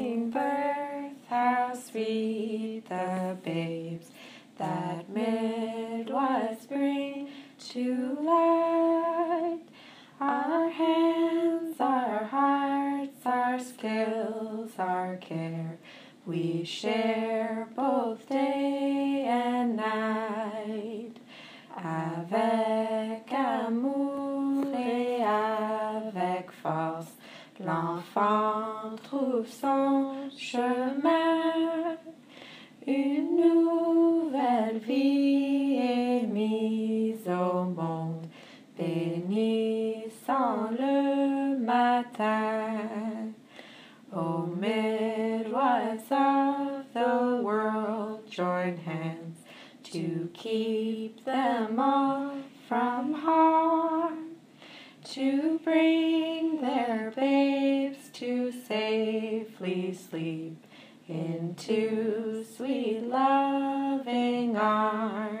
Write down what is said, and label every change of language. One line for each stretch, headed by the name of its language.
English: birth, how sweet the babes that midwives bring to light. Our hands, our hearts, our skills, our care, we share both day and night.
French: Avec amour et avec force, l'enfant trouve son chemin. Une nouvelle vie est mise au monde, bénissant le matin.
English: O midwives of the world, join hands to keep them all from harm, to bring their babes to safely sleep into sweet loving arms.